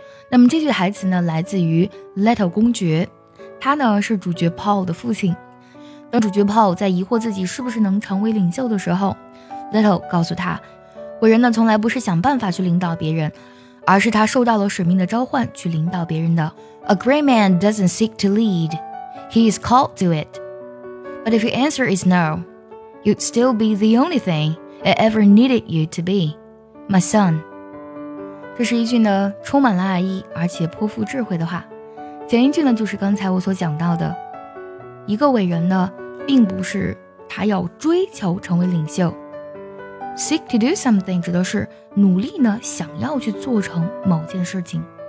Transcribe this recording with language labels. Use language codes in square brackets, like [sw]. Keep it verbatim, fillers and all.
[zh] 那么这句台词呢来自于 Leto 公爵，他呢是主角 Paul 的父亲。当主角 Paul 在疑惑自己是不是能成为领袖的时候， Leto 告诉他，伟人呢从来不是想办法去领导别人，而是他受到了使命的召唤去领导别人的。 [en] A great man doesn't seek to lead. He is called to it. But if your answer is no, you'd still be the only thing I ever needed you to be, my son. [zh] 这是一句呢充满了爱意而且颇富智慧的话。前一句呢就是刚才我所讲到的，一个伟人呢并不是他要追求成为领袖。 [en] Seek to do something [zh] 指的是努力呢想要去做成某件事情。